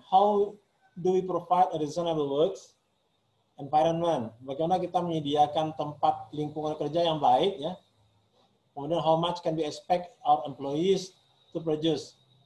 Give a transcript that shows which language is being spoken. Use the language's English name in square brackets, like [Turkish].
[English] How do we provide a reasonable works environment? [Indonesian] Bagaimana kita menyediakan tempat lingkungan kerja yang baik ya. Kemudian [English] how much can we expect our employees to produce?